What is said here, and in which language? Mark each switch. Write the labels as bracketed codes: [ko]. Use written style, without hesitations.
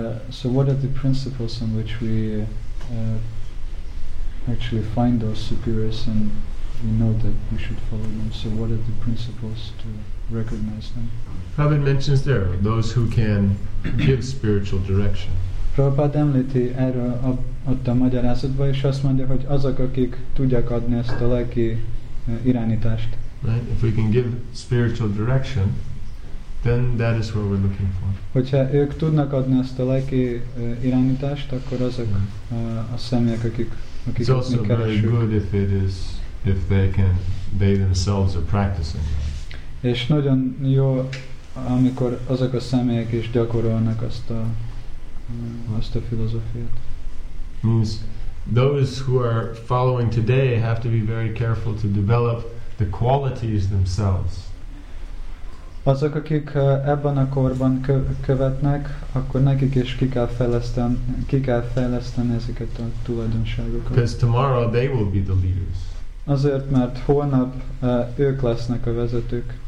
[en] So what are the principles on which we actually find those superiors, and we know that we should follow them? So what are the principles to recognize them? Prabhupada mentions there those who can give spiritual direction. [hu] Prabhupada említi erről ott a magyarázatban, és azt mondja, hogy azok, akik tudják adni ezt a lelki irányítást. [en] Right? If we can give spiritual direction, then that is what we're looking for. [hu] Hogyha ők tudnak adni ezt a lelki irányítást, akkor azok a személyek, akik [en] it's also [hu] keresünk. [en] Very good if they themselves are practicing. [hu] És nagyon jó, amikor azok a személyek is gyakorolnak azt a filozófiát. [en] Means those who are following today have to be very careful to develop the qualities themselves. [hu] Azok, akik ebben a korban követnek, akkor nekik is ki kell fejleszteni ezeket a tulajdonságokat. [en] Because tomorrow they will be the leaders. [hu] Azért, mert holnap ők lesznek a vezetők.